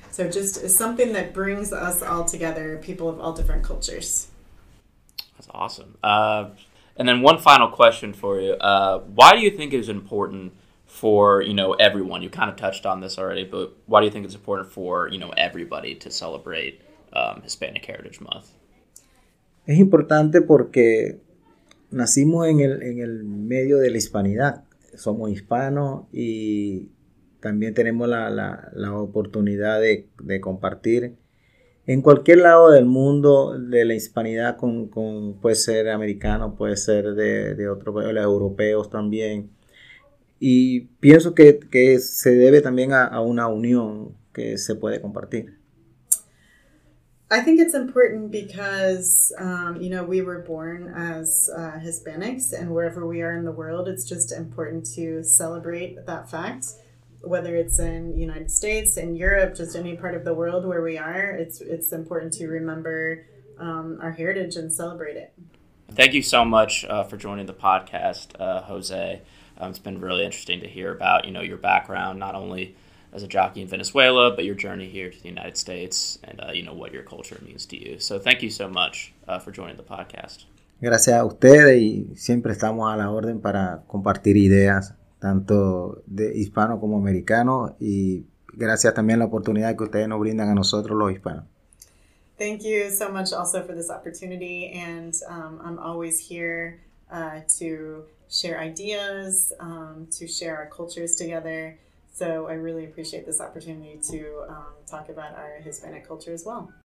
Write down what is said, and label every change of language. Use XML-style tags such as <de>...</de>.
<en>So just something that brings us all together, people of all different cultures. That's awesome. And then one final question for you. Why do you think it's important for, you know, everyone? You kind of touched on this already, but why do you think it's important for, you know, everybody to celebrate Hispanic Heritage Month?</en> <es>Es importante porque nacimos en el medio de la hispanidad. Somos hispanos y también tenemos la oportunidad de compartir en cualquier lado del mundo de la hispanidad con puede ser americano, puede ser de otro país, europeos también. Y pienso que se debe también a una unión que se puede compartir.</es> <en>I think it's important because, you know, we were born as Hispanics, and wherever we are in the world, it's just important to celebrate that fact. Whether it's in the United States, in Europe, just any part of the world where we are, it's important to remember our heritage and celebrate it. Thank you so much for joining the podcast, Jose. It's been really interesting to hear about, you know, your background, not only as a jockey in Venezuela, but your journey here to the United States and, you know, what your culture means to you. So thank you so much for joining the podcast.</en> <es>Gracias a ustedes y siempre estamos a la orden para compartir ideas, tanto de hispano como americano, y gracias también la oportunidad que ustedes nos brindan a nosotros los hispanos.</es> <en>Thank you so much also for this opportunity, and I'm always here to share ideas, to share our cultures together. So I really appreciate this opportunity to talk about our Hispanic culture as well.</en>